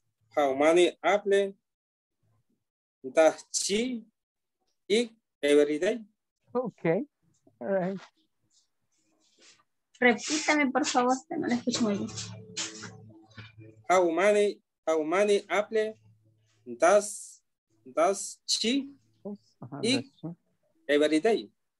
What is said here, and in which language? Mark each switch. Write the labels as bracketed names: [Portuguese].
[English] How many apples does she eat every day? Okay, all right. [Spanish] Repítame, por favor, te no lo escucho muy bien. [English] How many apples does she eat every day?